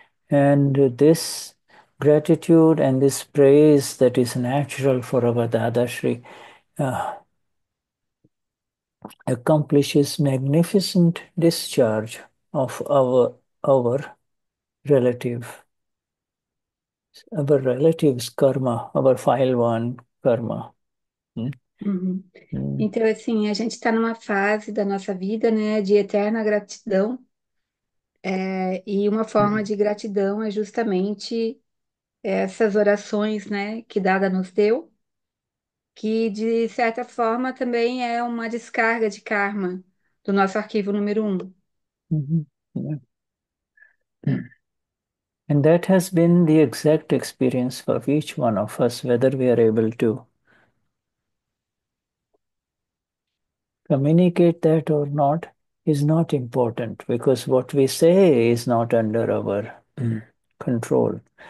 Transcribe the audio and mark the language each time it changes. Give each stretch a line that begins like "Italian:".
English: And this gratitude and this praise that is natural for our Dadashri accomplishes magnificent discharge of our relatives' karma, our file one karma.
Portuguese: Então, assim, a gente está numa fase da nossa vida, né, de eterna gratidão, e uma forma de gratidão é justamente essas orações, né, que Dada nos deu, que de certa forma também é uma descarga de karma do nosso arquivo número 1.
English: And that has been the exact experience for each one of us, whether we are able to communicate that or not is not important, because what we say is not under our control.